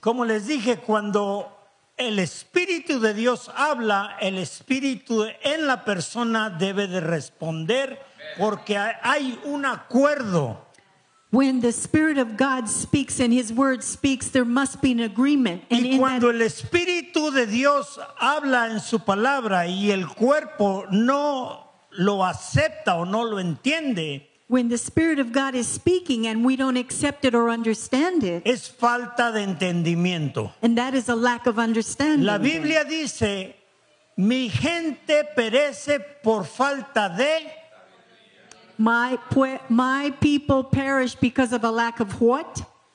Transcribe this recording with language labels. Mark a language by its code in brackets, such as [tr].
[es] Como les dije, cuando el Espíritu de Dios habla, el Espíritu en la persona debe de responder. Porque hay un acuerdo. [en] When the Spirit of God speaks and His Word speaks, there must be an agreement. [es] Y cuando el Espíritu de Dios habla en su palabra y el cuerpo no lo acepta o no lo entiende, [en] when the Spirit of God is speaking and we don't accept it or understand it, [es] es falta de entendimiento. [en] And that is a lack of understanding. [es] La Biblia dice, mi gente perece por falta de. [en] My people perish because of a lack of what?